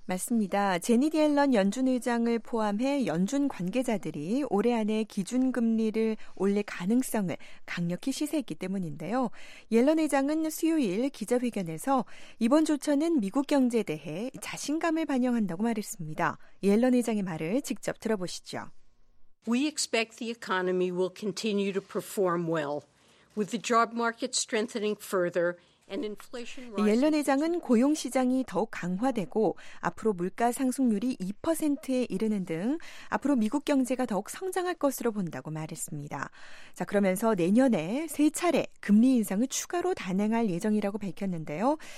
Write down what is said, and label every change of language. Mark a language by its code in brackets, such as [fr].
[ko] 맞습니다. 제니 옐런 연준 의장을 포함해 연준 관계자들이 사람들이 올해 안에 기준금리를 올릴 가능성을 강력히 시사했기 때문인데요. 옐런 의장은 수요일 기자회견에서 이번 조처는 미국 경제에 대해 자신감을 반영한다고 말했습니다. 옐런 의장의 말을 직접 들어보시죠. [en] We expect the economy will continue to perform well, with the job market strengthening further. [ko] 옐런 의장은 고용시장이 더욱 강화되고 앞으로 물가 상승률이 2%에 이르는 등 앞으로 미국 경제가 더욱 성장할 것으로 본다고 말했습니다. 자, 그러면서 내년에 세 차례 금리 인상을 추가로 단행할 예정이라고 밝혔는데요.